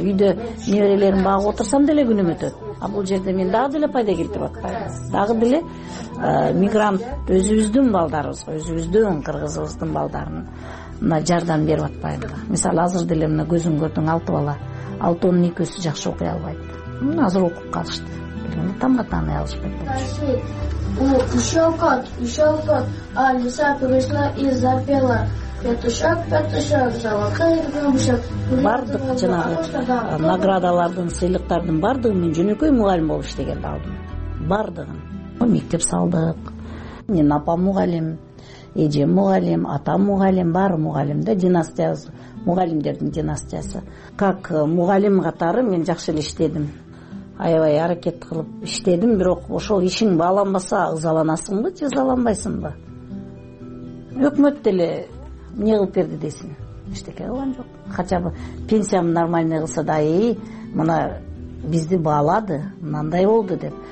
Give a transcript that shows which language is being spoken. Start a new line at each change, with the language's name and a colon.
Kyrgyz: Үйдө неберелерим багып отурсам деле күнүм өтөт. А бул жерде мен дагы деле пайда келтирип атпаймын. Дагы деле мигрант өзүбүздүн балдарыбызга, өзүбүздүн кыргызыбыздын балдарына мына жардам берип атпайм да. Мисалы азыр деле мына көзүм көрдүң 6 бала, 6-10 экөөсү жакшы окуй албайт. Мына азыр окуп калышты. Тамга тааный алышпайт.
Russian: Ушел кот, ушел кот, а лиса пришла и запела. Петушок, петушок, золотой рыбушек.
Kyrgyz: Бардык жанагы наградалардын, сыйлыктардын бардыгы мен жөнөкөй мугалим болуп иштегенде алдым. Бардыгын. Мектеп салдык. Мен апа мугалим, эже мугалим, ата мугалим, бар мугалим да, династиябыз, мугалимдердин династиясы. Как мугалим катары мен жакшы эле иштедим. Аябай аракет кылып иштедим, бирок ошол ишиң бааланбаса ызаланасыңбы же ызаланбайсыңбы? Өкмөт деле эмне кылып берди дейсиң? Эчтеке кылган жок.
Russian: Хотя бы
Kyrgyz: пенсиямды нормальный кылса да, мына бизди баалады, мындай болду деп.